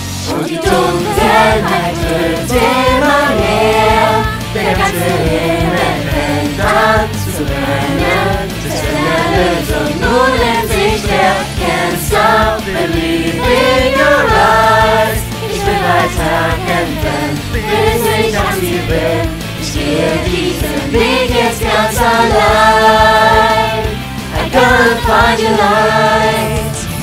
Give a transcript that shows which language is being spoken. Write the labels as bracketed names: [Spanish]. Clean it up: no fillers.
[German] Und die Dunkelheit wird immer mehr, der ganze Himmel fängt an zu brennen. Das ist eine Lösung, nun in sich leer. [English] Can't stop believing your eyes. [German] Ich will weiter kämpfen, bis ich am Ziel bin. Ich gehe diesen Weg jetzt ganz allein. [English] I'm gonna find your light.